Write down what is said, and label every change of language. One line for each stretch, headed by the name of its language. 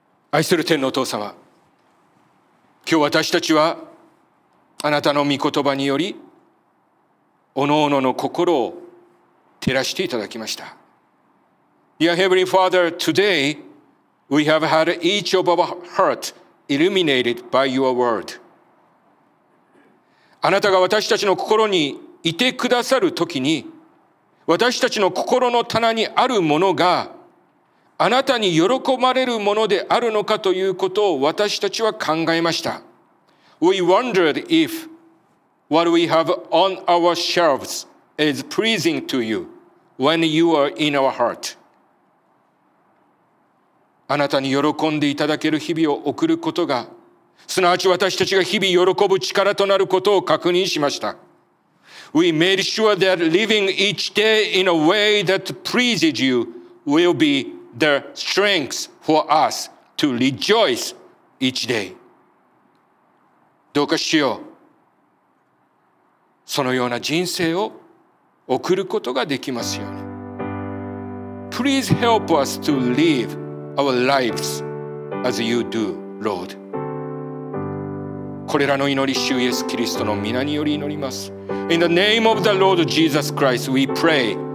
Japanese: 愛する天のお父様、今日私たちはあなたの御言葉によりおのおのの心を照らしていただきました。
English: Dear Heavenly Father, today we have had each of our heart illuminated by your word.
Japanese: あなたが私たちの心にいてくださるときに、私たちの心の棚にあるものがあなたに喜ばれるものであるのかということを私たちは考えました。
English: We wondered ifWhat we have on our shelves is pleasing to you when you are in our heart.
Japanese: あなたに喜んでいただける日々を送ることが、すなわち私たちが日々喜ぶ力となることを確認しました。
English: We made sure that living each day in a way that pleases you will be the strength for us to rejoice each day.
Japanese: どうかしよう。そのような人生を送ることができますように。
English: Please help us to live our lives as you do, Lord.
Japanese: これらの祈り、主イエスキリストの御名により祈ります。
English: In the name of the Lord Jesus Christ, we pray.